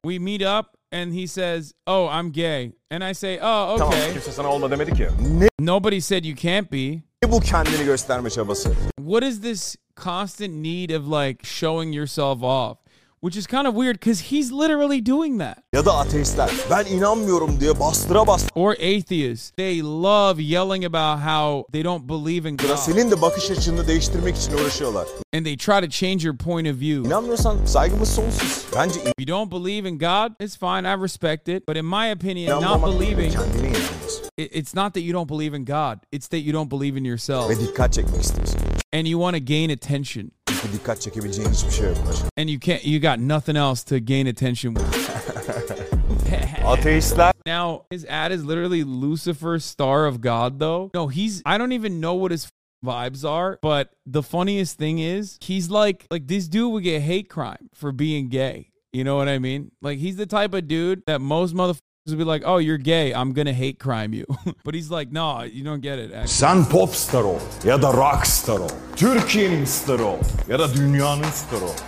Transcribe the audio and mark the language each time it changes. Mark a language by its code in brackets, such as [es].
[en] We meet up and he says, oh, I'm gay. And I say, oh, okay. [tr] Tamam, kimse sana olma demedi ki. [en] Nobody said you can't be. [tr] Bu kendini gösterme çabası. [en] What is this constant need of like showing yourself off? Which is kind of weird because he's literally doing that. [tr] Ya da ateistler, ben inanmıyorum diye bastıra bastıra. [en] Or atheists. They love yelling about how they don't believe in God. [tr] Senin de bakış açını değiştirmek için uğraşıyorlar. [en] And they try to change your point of view. [tr] İnanmıyorsan saygımız sonsuz. Bence [en] if you don't believe in God, it's fine. I respect it. But in my opinion, not believing, it's not that you don't believe in God. It's that you don't believe in yourself. [tr] Ve dikkat çekmek istiyorsun. [en] And you want to gain attention. [tr] Dikkat çekebileceğiniz bir şey yok. [en] And you can't, you got nothing else to gain attention with. [tr] Ateistler. [en] Now, his ad is literally Lucifer Star of God, though. No, he's, I don't even know what his vibes are, but the funniest thing is, he's like this dude would get hate crime for being gay. You know what I mean? Like, he's the type of dude that most motherfuckers would be like, oh, you're gay, I'm gonna hate crime you. But he's like, no, you don't get it, actually. [tr] Sen pop star ol, ya da rock star ol. Türkiye'nin starı ol ya da dünyanın starı ol.